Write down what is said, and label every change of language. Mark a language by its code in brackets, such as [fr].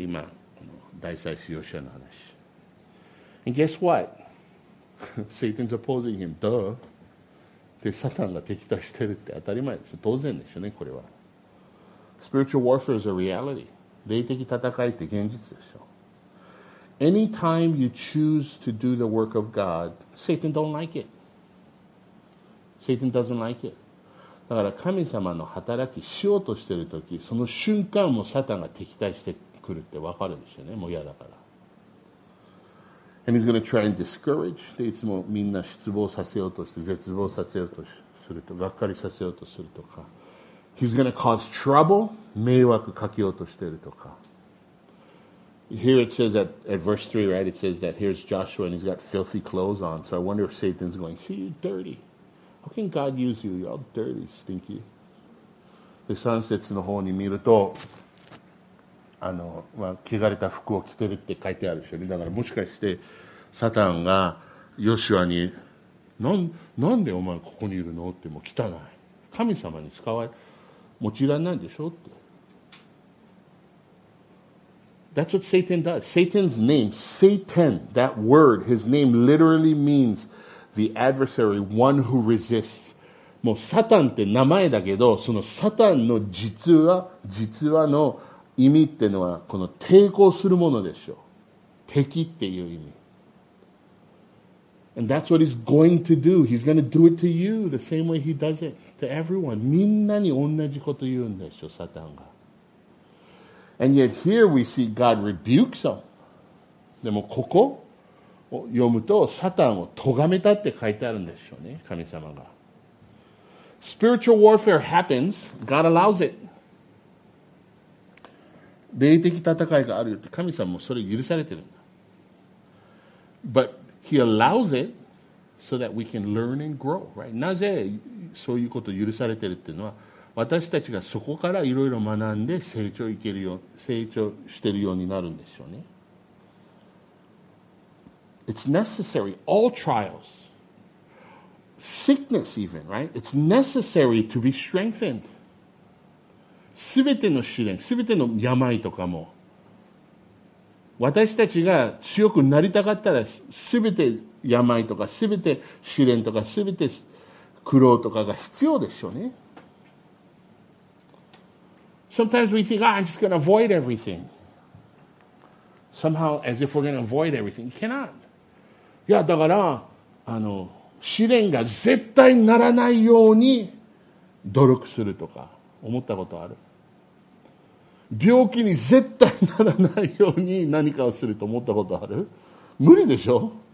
[ja] 今この大祭司ヨシュアの話。 [en] And guess what? Satan's opposing him. Duh. [ja] で、サタンが敵対してるって当たり前でしょ。当然でしょね、これは。 [en] Spiritual warfare is a reality. [ja] 霊的戦いって現実でしょ。 [en] Anytime you choose to do the work of God, Satan don't like it. Satan doesn't like it. [ja] だから神様の働きしようとしているとき、その瞬間もサタンが敵対してくるって分かるでしょうね。もう嫌だから。 [en] And he's going to try and discourage. [ja] で、いつもみんな失望させようとして、絶望させようとすると、がっかりさせようとするとか。 [en] He's going to cause trouble. [ja] 迷惑かけようとしているとか。 [en] Here it says that at verse 3, right? It says that here's Joshua and he's got filthy clothes on. So I wonder if Satan's going, see you dirty. How can God use you? You're all dirty, stinky. [ja] で、三節の方に見ると、汚れた服を着てるって書いてあるでしょ、ね、だからもしかして、サタンがヨシュアに、なんでお前ここにいるのって、もう汚い。神様に使われ、用いられないでしょって。 [en] That's what Satan does. Satan's name, Satan, that word, his name literally means... The adversary, one who resists. [ja] もうサタンって名前だけど、そのサタンの実話の意味ってのは、この抵抗するものでしょう。敵っていう意味。 [en] And that's what he's going to do. He's going to do it to you the same way he does it to everyone. [ja] みんなに同じこと言うんでしょう、サタンが。 [en] And yet here we see God rebukes him. [ja] でもここ読むとサタンを咎めたって書いてあるんでしょうね、神様が。 [en] Spiritual warfare happens, God allows it. [ja] 霊的戦いがあるよって、神様もそれ許されてるんだ。 [en] But he allows it so that we can learn and grow, right? [ja] なぜそういうことを許されてるっていうのは、私たちがそこからいろいろ学んで成長してるようになるんでしょうね。 [en] It's necessary, all trials, sickness even, right? It's necessary to be strengthened. [ja] すべての試練、すべての病とかも、私たちが強くなりたかったら、すべて病とか、すべて試練とか、すべて苦労とかが必要でしょうね。 [en] Sometimes we think, I'm just going to avoid everything. Somehow, as if we're going to avoid everything. You cannot. [ja] いやだから試練が絶対ならないように努力するとか思ったことある。病気に絶対ならないように何かをすると思ったことある？無理でしょ？